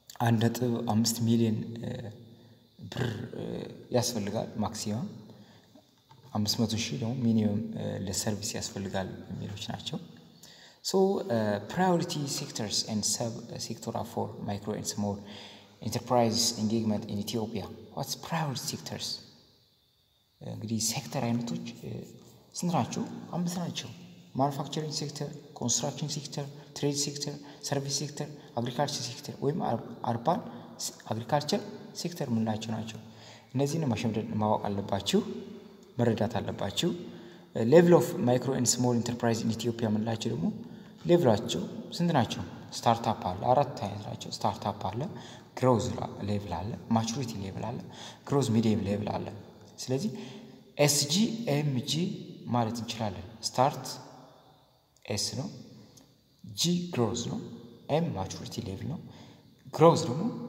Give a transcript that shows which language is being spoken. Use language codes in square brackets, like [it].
[am] 1.5 ሚሊዮን ብር ያስፈልጋል ማክሲመም 500 ሺህ ደግሞ ሚኒመም ለሰርቪስ ያስፈልጋል የሚሉት ናቸው [en] So priority sectors and sub sector are for micro and small enterprises engagement in Ethiopia. What's priority sectors? [am] እንግዲህ ሴክተር አይነቶች ስንራቸው አምስት ናቸው. [en] Manufacturing sector, construction sector, trade sector, service sector, agriculture sector. [am] ወይም [en] urban agriculture sector [am] ምንላቸው ናቸው? እነዚህን ማሸምደድ ማወቅ አለባችሁ መረዳት አለባችሁ. [en] Level of micro and small enterprise in Ethiopia [am] ምንላቸው ደግሞ ሌቭላቸው ስንት ናቸው? ስታርታፕ አለ አራት አይነት ናቸው ስታርታፕ አለ ግሮዝ ሌቭል አለ ማቹሪቲ ሌቭል አለ ግሮዝ ሚዲየም ሌቭል አለ ስለዚህ SGMG ማለት እንችላለን ስታርት S ነው G ግሮዝ ነው M ማቹሪቲ ሌቭል ነው ግሮዝ ደግሞ